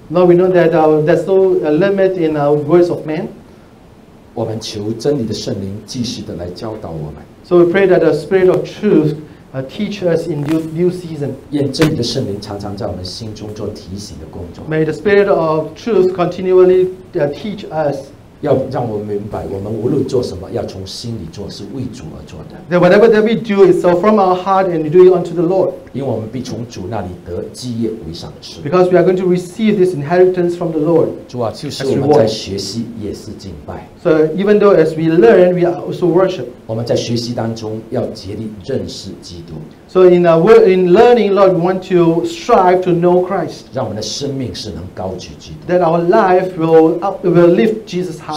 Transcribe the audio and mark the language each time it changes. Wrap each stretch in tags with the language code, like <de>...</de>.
<en>Lord, we know that there's no limit in our words of man.</en> <zh>我们求真理的圣灵继续的来教导我们。</zh> <en>So we pray that the Spirit of Truth teach us in new season.</en> <zh>愿真理的圣灵常常在我们心中做提醒的工作。</zh> <en>May the Spirit of Truth continually teach us.</en> <zh>要让我们明白，我们无论做什么，要从心里做，是为主而做的。</zh> <en>That whatever that we do is from our heart and do it unto the Lord.</en> <zh>因为我们必从主那里得基业为赏赐。</zh> <en>Because we are going to receive this inheritance from the Lord.</en> <zh>主啊，就是我们在学习也是敬拜。</zh> <en>So even though as we learn, we are also worship.</en> <zh>我们在学习当中要竭力认识基督。</zh> <en>So in learning, Lord, we want to strive to know Christ.</en> <zh>让我们的生命是能高举基督。</zh> <en>That our life will lift Jesus high.</en>